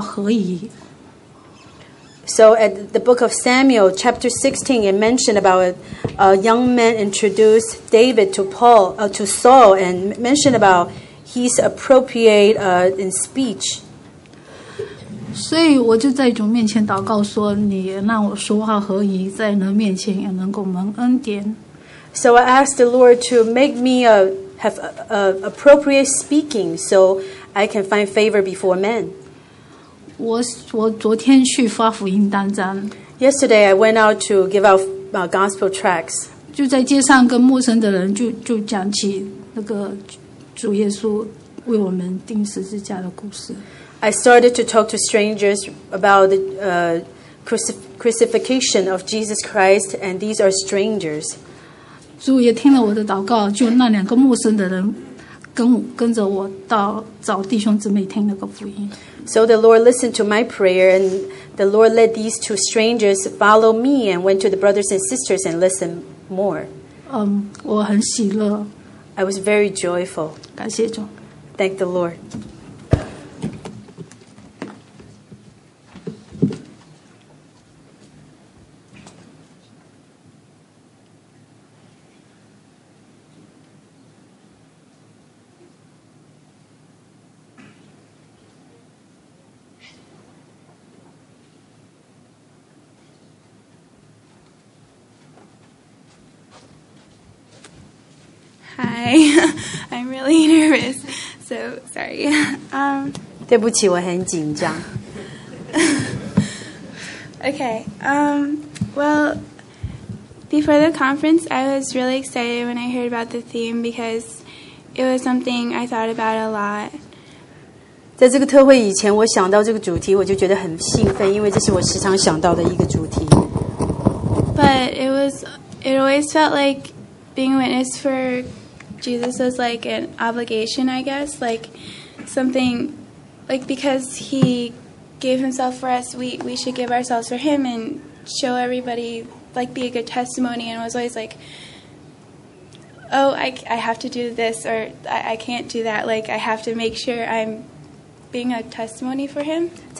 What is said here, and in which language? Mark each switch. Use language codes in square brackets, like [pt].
[zh] 16章那里讲到大卫被一个少年人介绍给扫罗，说他说话何以。 [en] So at the book of Samuel, chapter 16, it mentioned about a young man introduced David to Paul, to Saul, and mentioned about he's appropriate in speech. [zh] 所以我就在主面前祷告说，你让我说话何以，在人面前也能够蒙恩典。 [en] So I asked the Lord to make me a have appropriate speaking so I can find favor before men. [zh] 我昨天去发福音单张。 [en] Yesterday, I went out to give out gospel tracts. [zh] 就在街上跟陌生的人就讲起那个主耶稣为我们钉十字架的故事。 [en] I started to talk to strangers about the crucifixion of Jesus Christ, and these are strangers. [zh] 主也听了我的祷告，就那两个陌生的人跟着我到找弟兄姊妹听那个福音。 [en] So the Lord listened to my prayer, and the Lord led these two strangers follow me and went to the brothers and sisters and listened more. [zh] 我很喜乐。 [en] I was very joyful. [zh] 感谢主。 [en] Thank the Lord. I'm really nervous, so sorry. [zh] 对不起，我很紧张。 [en] Okay. Well, before the conference, I was really excited when I heard about the theme because it was something I thought about a lot. [zh] 在这个特会以前，我想到这个主题，我就觉得很兴奋，因为这是我时常想到的一个主题。 [en] But it always felt like being a witness for Jesus was like an obligation, I guess, like something, like because he gave himself for us, we should give ourselves for him and show everybody, like be a good testimony, and it was always like, oh, I have to do this, or I can't do that, like I have to make sure I'm being a testimony for him.